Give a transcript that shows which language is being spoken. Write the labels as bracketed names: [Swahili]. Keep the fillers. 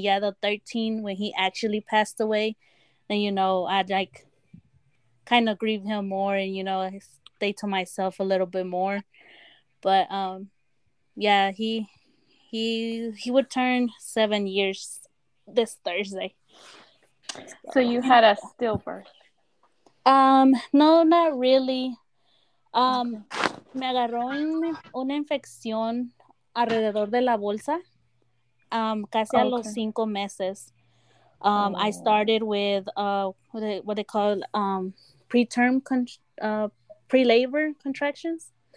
[English] Yeah, the 13 when he actually passed away. And, you know i like kind of grieve him more and you know stay to myself a little bit more but um yeah he he he would turn seven years this thursday so, you had a stillbirth um no not really um okay. [Spanish] me agarró una infección alrededor de la bolsa um casi okay. a los cinco meses [English] um, I started with uh, what, they, what they call um, preterm con- uh, pre labor contractions.